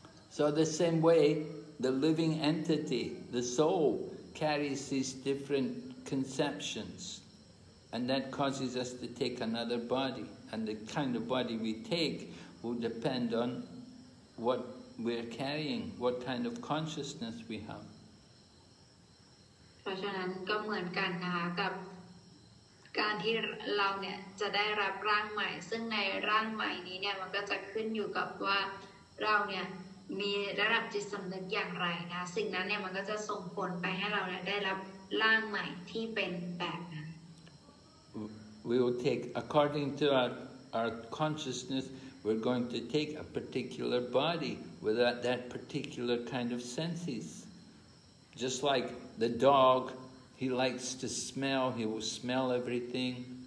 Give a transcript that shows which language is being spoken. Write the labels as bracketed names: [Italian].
[English] So the same way, the living entity, the soul, carries these different conceptions, and that causes us to take another body. And the kind of body we take will depend on what we're carrying, what kind of consciousness we have. [Thai] เพราะฉะนั้นก็เหมือนกันนะกับการที่เราเนี่ยจะได้รับร่างใหม่ซึ่งในร่างใหม่นี้เนี่ยมันก็จะขึ้นอยู่กับว่าเราเนี่ยมีระดับจิตสำนึกอย่างไรนะสิ่งนั้นเนี่ยมันก็จะส่งผลไปให้เราเนี่ยได้รับร่างใหม่ที่เป็นแบบนั้น [English] We will take according to our consciousness we're going to take a particular body without that particular kind of senses just like the dogHe likes to smell, he will smell everything.